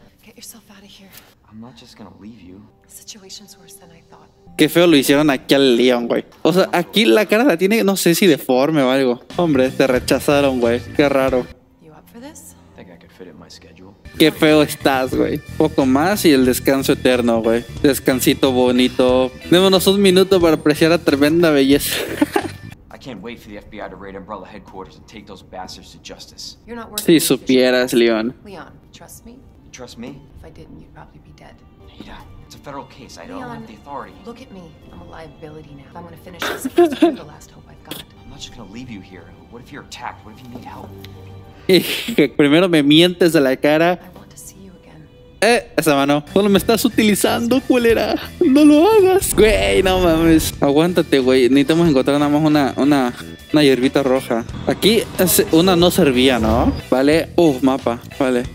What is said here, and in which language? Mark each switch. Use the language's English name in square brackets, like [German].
[English] Get yourself out of here. I'm not just gonna leave you. The situation's worse than I thought. [Spanish] Qué feo lo hicieron aquí al Leon, güey. O sea, aquí la cara la tiene, no sé si deforme o algo. Hombre, te rechazaron, güey. Qué raro. [English] You up for this? I think I could fit in my schedule. [Spanish] Qué feo estás, güey. Poco más y el descanso eterno, güey. Descansito bonito. Démonos un minuto para apreciar la tremenda belleza. [English] I can't wait for the FBI to raid Umbrella headquarters and take those bastards to justice. You're not worth it. [Spanish] Si supieras, [English] Leon. Leon, trust me. You trust me? If I didn't, you'd probably be dead. Ada, it's a federal case. I don't have the authority. Look at me. I'm a liability now. If I'm gonna finish this, you're the last hope I've got. I'm not just gonna leave you here. What if you're attacked? What if you need help? [Spanish] Primero me mientes de la cara. Esa mano. Solo me estás utilizando, culera. No lo hagas. Güey, no mames. Aguántate, güey. Necesitamos encontrar nada más una hierbita roja. Aquí una no servía, ¿no? Vale. Mapa. Vale.